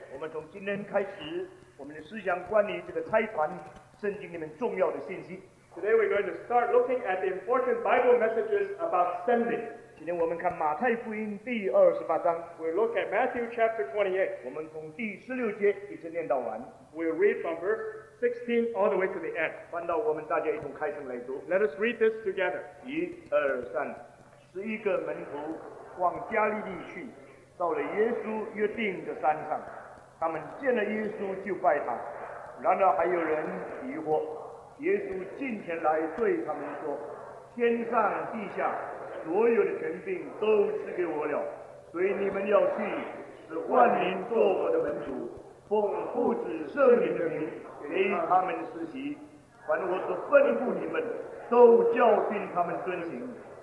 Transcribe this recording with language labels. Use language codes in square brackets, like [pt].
[zh] 我们从今天开始，我们的思想关于这个拆团圣经里面重要的信息。 [en] Today we're going to start looking at the important Bible messages about sending。 [zh] 今天我们看马太福音第二十八章。 [en] We'll look at Matthew chapter 28。 [zh] 我们从第十六节一直念到完。 [en] We'll read from verse 16 all the way to the end。 [zh] 翻到我们大家一同开声来读。 [en] Let us read this together。 [zh] 一、二、三。十一个门徒往加利利去，到了耶稣约定的山上，他们见了耶稣就拜他。然而还有人疑惑，耶稣近前来对他们说：“天上地下所有的权柄都赐给我了，所以你们要去，使万民做我的门徒，奉父子圣灵的名给他们施洗，凡我所吩咐你们，都教训他们遵行。”